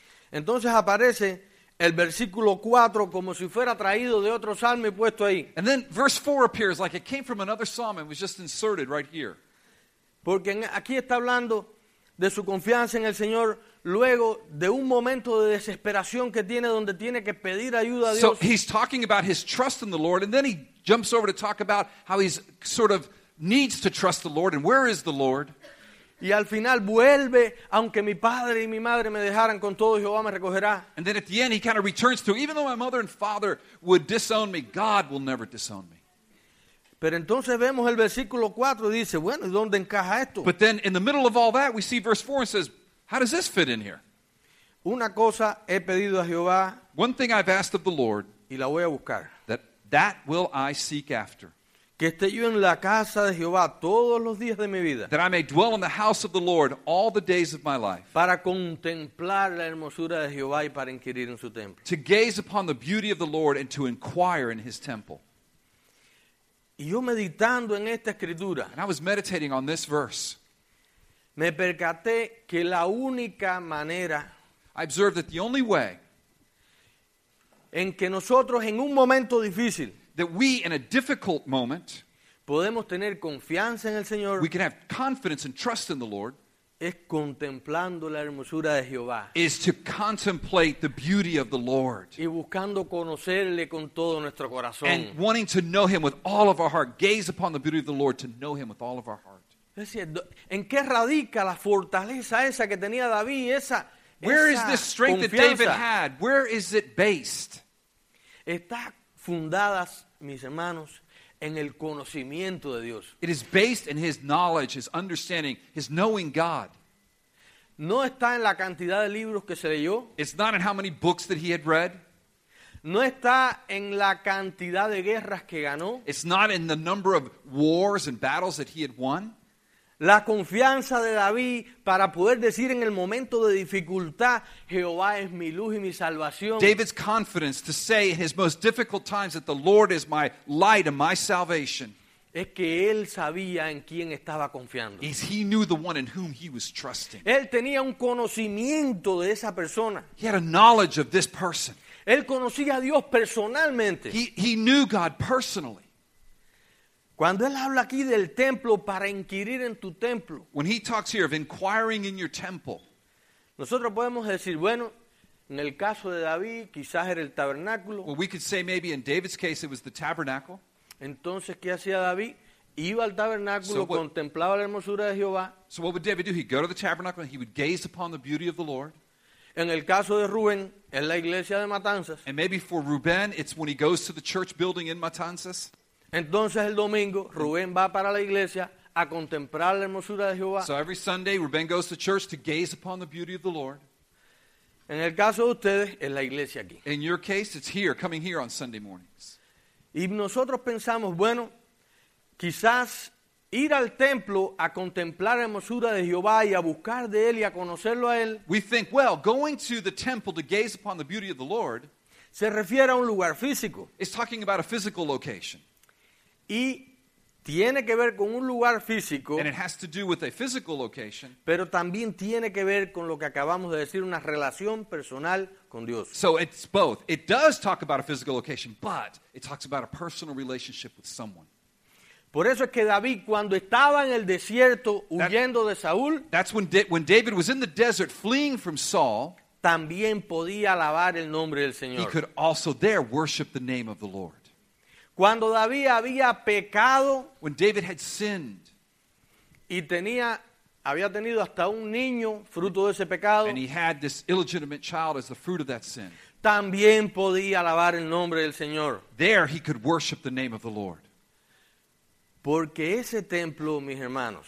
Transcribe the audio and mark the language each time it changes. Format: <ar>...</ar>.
<es>Entonces aparece el versículo 4 como si fuera traído de otro salmo y puesto ahí.</es> <en>And then verse 4 appears like it came from another psalm and was just inserted right here.</en> <es>Porque aquí está hablando de su confianza en el Señor luego de un momento de desesperación que tiene donde tiene que pedir ayuda a Dios.</es> <en>So he's talking about his trust in the Lord and then he jumps over to talk about how he's sort of needs to trust the Lord and where is the Lord.</en> <es>Y al final vuelve, aunque mi padre y mi madre me dejaran con todo, Jehová me recogerá.</es> <en>And then at the end he kind of returns to, even though my mother and father would disown me, God will never disown me.</en> <es>Pero entonces vemos el versículo 4 y dice, bueno, ¿y dónde encaja esto?</es> <en>But then in the middle of all that, we see verse 4 and says, how does this fit in here?</en> <es>Una cosa he pedido a Jehová.</es> <en>One thing I've asked of the Lord.</en> <es>Y la voy a buscar.</es> <en>That will I seek after.</en> <es>Que esté yo en la casa de Jehová todos los días de mi vida.</es> <en>That I may dwell in the house of the Lord all the days of my life.</en> <es>Para contemplar la hermosura de Jehová y para inquirir en su templo.</es> <en>To gaze upon the beauty of the Lord and to inquire in his temple.</en> <es>Y yo meditando en esta escritura.</es> <en>And I was meditating on this verse.</en> <es>Me percaté que la única manera.</es> <en>I observed that the only way.</en> <es>En que nosotros en un momento difícil.</es> <en>That we, in a difficult moment,</en> <es>podemos tener confianza en el Señor,</es> <en>we can have confidence and trust in the Lord,</en> <es>es contemplando la hermosura de Jehová,</es> <en>is to contemplate the beauty of the Lord,</en> <es>y buscando conocerle con todo nuestro corazón,</es> <en>and wanting to know him with all of our heart, gaze upon the beauty of the Lord, to know him with all of our heart.</en> <es>¿En qué radica la fortaleza esa que tenía David? Esa,</es> <en>where</en> <es>esa</es> <en>is this strength</en> <es>confianza?</es> <en>That David had? Where is it based?</en> <es>Está fundadas, mis hermanos, en el conocimiento de Dios.</es> <en>It is based in his knowledge, his understanding, his knowing God.</en> <es>No está en la cantidad de libros que se leyó.</es> <en>It's not in how many books that he had read.</en> <es>No está en la cantidad de guerras que ganó.</es> <en>It's not in the number of wars and battles that he had won.</en> <es>La confianza de David para poder decir en el momento de dificultad, Jehová es mi luz y mi salvación.</es> <en>David's confidence to say in his most difficult times that the Lord is my light and my salvation.</en> <es>Es que él sabía en quién estaba confiando.</es> <en>Is he knew the one in whom he was trusting.</en> <es>Él tenía un conocimiento de esa persona.</es> <en>He had a knowledge of this person.</en> <es>Él conocía a Dios personalmente.</es> <en>He knew God personally.</en> <es>Cuando él habla aquí del templo para inquirir en tu templo.</es> <en>When he talks here of inquiring in your temple.</en> <es>Nosotros podemos decir, bueno, en el caso de David, quizás era el tabernáculo.</es> <en>Well, we could say maybe in David's case it was the tabernacle.</en> <es>Entonces, ¿qué hacía David? Iba al tabernáculo, contemplaba la hermosura de Jehová.</es> <en>So what would David do? He'd go to the tabernacle and he would gaze upon the beauty of the Lord.</en> <es>En el caso de Rubén, en la iglesia de Matanzas.</es> <en>And maybe for Ruben, it's when he goes to the church building in Matanzas.</en> <es>Entonces el domingo Rubén va para la iglesia a contemplar la hermosura de Jehová.</es> <en>So every Sunday Rubén goes to church to gaze upon the beauty of the Lord.</en> <es>En el caso de ustedes es la iglesia aquí.</es> <en>In your case it's here, coming here on Sunday mornings.</en> <es>Y nosotros pensamos, bueno, quizás ir al templo a contemplar la hermosura de Jehová y a buscar de él y a conocerlo a él.</es> <en>We think, well, going to the temple to gaze upon the beauty of the Lord.</en> <es>Se refiere a un lugar físico.</es> <en>It's talking about a physical location.</en> <es>Y tiene que ver con un lugar físico.</es> <en>And it has to do with a physical location.</en> <es>Pero también tiene que ver con lo que acabamos de decir, una relación personal con Dios.</es> <en>So it's both. It does talk about a physical location, but it talks about a personal relationship with someone.</en> <es>Por eso es que David, cuando estaba en el desierto huyendo de Saúl.</es> <en>That's when David was in the desert fleeing from Saul.</en> <es>También podía alabar el nombre del Señor.</es> <en>He could also there worship the name of the Lord.</en> <es>Cuando David había pecado,</es> <en>when David had sinned,</en> <es>y había tenido hasta un niño fruto de ese pecado,</es> <en>and he had this illegitimate child as the fruit of that sin,</en> <es>también podía alabar el nombre del Señor.</es> <en>There he could worship the name of the Lord.</en> <es>Porque ese templo, mis hermanos,</es>